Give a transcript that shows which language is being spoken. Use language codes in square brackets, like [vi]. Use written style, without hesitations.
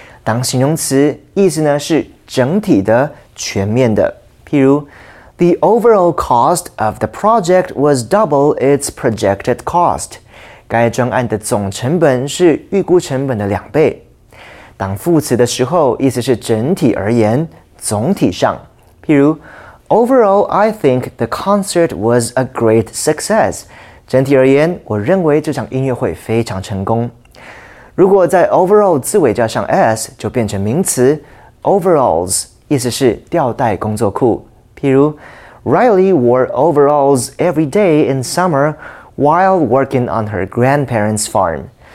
[zh] 当形容词，意思呢是整体的、全面的。譬如 [en] ，The overall cost of the project was double its projected cost。 [zh] 该专案的总成本是预估成本的两倍。当副词的时候，意思是整体而言、总体上。譬如 [en] ，Overall, I think the concert was a great success。 [zh] 整体而言，我认为这场音乐会非常成功。如果在 overall 字尾加上 s， 就变成名词 overalls， 意思是吊带工作裤。譬如 [en] ，Riley wore overalls every day in summer while working on her grandparents' farm。